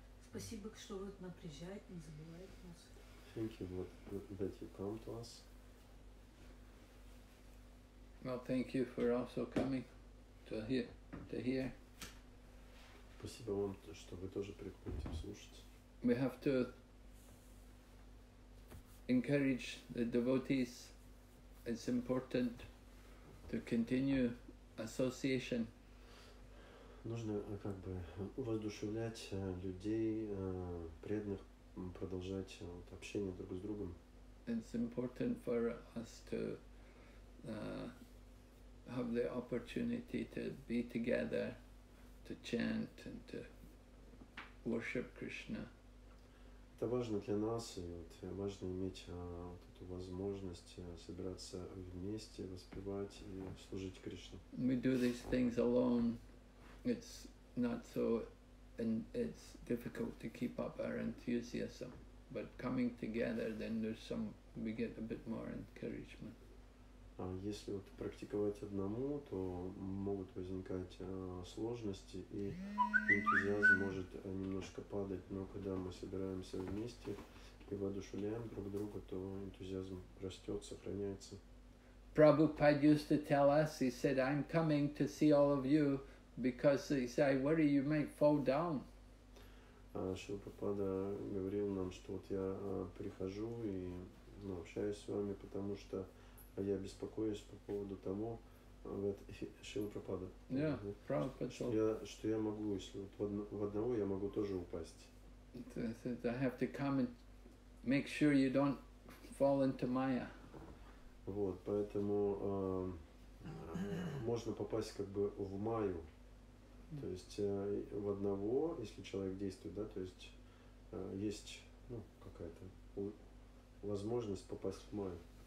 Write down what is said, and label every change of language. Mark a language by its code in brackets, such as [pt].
[ru] Спасибо, что вот напряжает, не забывает нас. [en] Thank you that you come to us. Well, thank you for also coming to here. To here. [ru] Спасибо вам, что вы тоже приходите слушать. [en] We have to encourage the devotees. It's important to continue association. [ru] Нужно как бы воодушевлять людей, преданных, продолжать вот, общение друг с другом. [en] It's important for us to have the opportunity to be together, to chant and to worship Krishna. [ru] Это важно для нас, и вот, важно иметь вот эту возможность собираться вместе, воспевать и служить Кришне. [en] We do these things alone. It's not so, and it's difficult to keep up our enthusiasm. But coming together, then there's some, we get a bit more encouragement. [ru] Если вот практиковать одному, то могут возникать сложности, и энтузиазм может немножко падать. Но когда мы собираемся вместе и воодушевляем друг друга, то энтузиазм растет, сохраняется. [en] Prabhupada used to tell us, he said, I'm coming to see all of you, because he said, I worry you might fall down. [ru] Шрила Прабхупада говорил нам, что вот я прихожу и общаюсь с вами, потому что я беспокоюсь по поводу того, Шрила Прабхупада, что я могу, если вот в одного я могу тоже упасть. [en] I have to come and make sure you don't fall into Maya. [ru] Вот, поэтому можно попасть как бы в Маю. То есть в одного, если человек действует, да, то есть есть ну, какая-то возможность попасть в Майю.